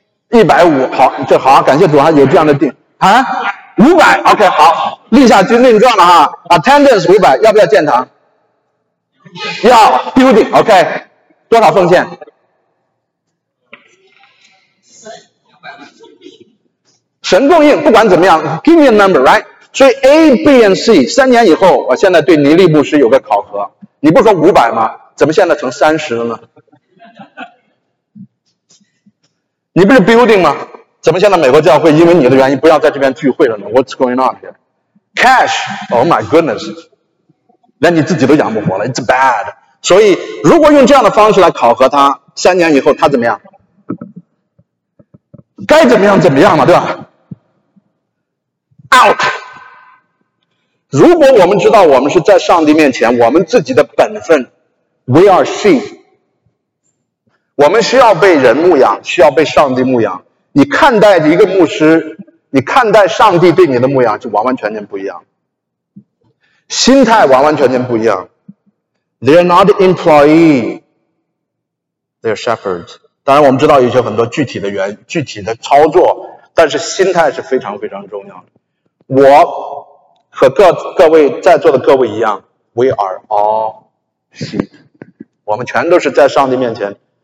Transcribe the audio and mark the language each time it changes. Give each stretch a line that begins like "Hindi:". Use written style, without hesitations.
Chinese: 150。好，这好，感谢主啊，有这样的定啊。500， OK， 好，立下军令状了哈。 Attendance 500， 要不要建堂？要。 Building， OK， 多少奉献？神供应，不管怎么样，
English: Give me a number， right？
Chinese: 所以 A, B, and C 三年以后，我现在对尼利牧师有个考核。你不说500吗？怎么现在成30了呢？你不是 Building 吗？怎么现在美国教会因为你的原因不要在这边聚会了呢？
English: What's going on here? Cash, oh my goodness,
Chinese: 连你自己都养不活了，
English: it's bad。
Chinese: 所以如果用这样的方式来考核他，三年以后他怎么样？该怎么样怎么样嘛，对吧？
English: Out。
Chinese: 如果我们知道我们是在上帝面前，我们自己的本分，
English: We are sheep，
Chinese: 我们需要被人牧养，需要被上帝牧养。你看待一个牧师，你看待上帝对你的牧养就完完全全不一样，心态完完全全不一样。
English: They are not employee, they are shepherds。
Chinese: 当然我们知道有些很多具体的操作，但是心态是非常非常重要的。我和各位在座的各位一样，
English: We are all sheep，
Chinese: 我们全都是在上帝面前